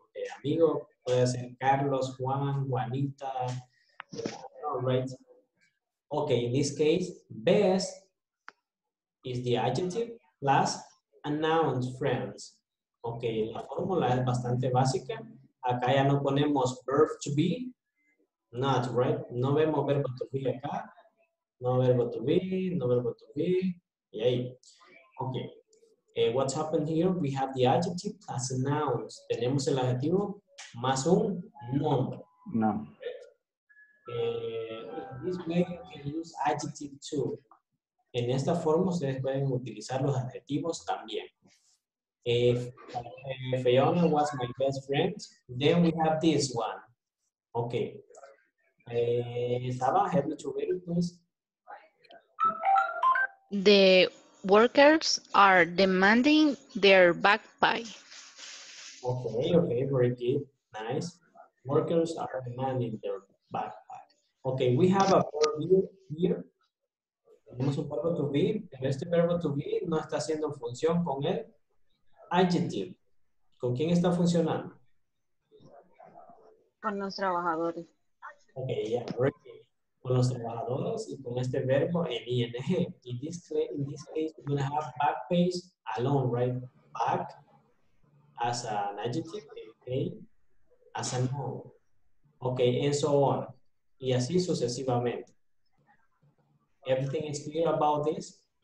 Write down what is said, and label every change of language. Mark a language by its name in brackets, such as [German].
[Spanish] El amigo puede ser Carlos, Juan, Juanita, right? [English] Okay, in this case, best is the adjective plus a noun, friends. [Spanish] Okay, la fórmula es bastante básica. Acá ya no ponemos verb to be, [English] not, right? [Spanish] No vemos verbo to be acá. No verbo to be, no verbo to be. Y ahí. [English] Okay, what happened here? We have the adjective plus a noun. [Spanish] Tenemos el adjetivo más un nombre. No. [English] In this way, you can use adjective too. [Spanish] En esta forma, ustedes pueden utilizar los adjetivos también. [English] If Fiona was my best friend, then we have this one. Okay. Saba, help me to read it, please. The workers are demanding their back pay. Okay, okay, very good. Nice. Workers are demanding their back pay. Okay, we have a verb here. [Spanish] Tenemos un verbo to be. Este verbo to be no está haciendo función con el adjective. ¿Con quién está funcionando? Con los trabajadores. [English] Okay, yeah, right. [Spanish] Con los trabajadores y con este verbo en ing. [English] In this case, we're going to have back page alone, right? Back as an adjective, okay? As a noun. Okay, and so on. [Spanish] Y así sucesivamente. [English] Everything is clear about this?